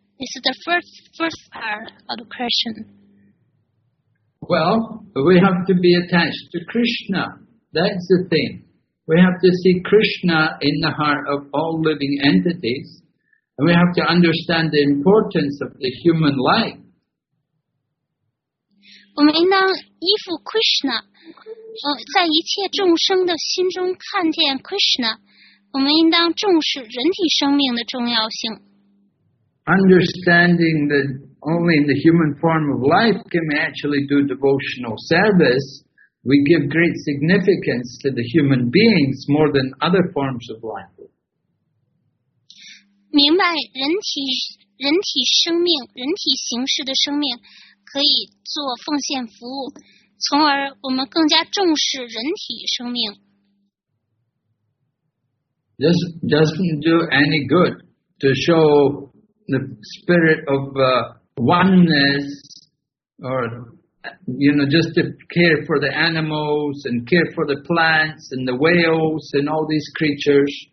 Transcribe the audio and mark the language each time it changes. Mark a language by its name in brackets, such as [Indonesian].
[English] This is the first part of the question. Well, we have to be attached to Krishna. That's the thing. We have to see Krishna in the heart of all living entities, and we have to understand the importance of the human life. [Chinese] 我们应当依附 Krishna， 在一切众生的心中看见 Krishna。我们应当重视人体生命的重要性。 [English] Understanding that only in the human form of life can we actually do devotional service, we give great significance to the human beings more than other forms of life. [Chinese] 明白人体生命、人体形式的生命。可以做奉献服务，从而我们更加重视人体生命。 [English] Doesn't do any good to show the spirit of oneness, or you know, just to care for the animals and care for the plants and the whales and all these creatures.